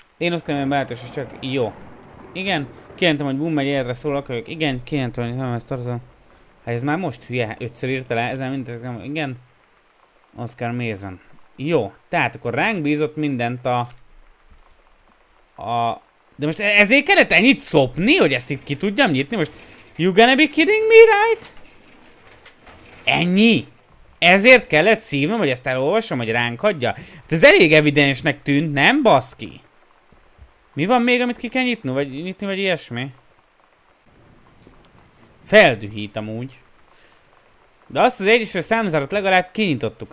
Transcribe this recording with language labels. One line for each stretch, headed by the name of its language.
Hungarian: Én azt kérdezem, beállítás, és csak jó. Igen, kijelentem, hogy Boom egy életre szólok, hogy igen, kijelentem, hogy nem ezt tartozom. Hát ez már most hülye, ötször írta le, ezen mindent, igen. Oscar Mason. Jó, tehát akkor ránk bízott mindent a... De most ezért kellett ennyit szopni, hogy ezt itt ki tudjam nyitni most?
English: You gonna be kidding me, right?
Hungarian: Ennyi? Ezért kellett szívnom, hogy ezt elolvassam, hogy ránk hagyja? Hát ez elég evidensnek tűnt, nem baszki? Mi van még, amit ki kell nyitni, vagy nyitni, vagy ilyesmi? Feldühít amúgy. De azt az egyes számzárat legalább kinyitottuk.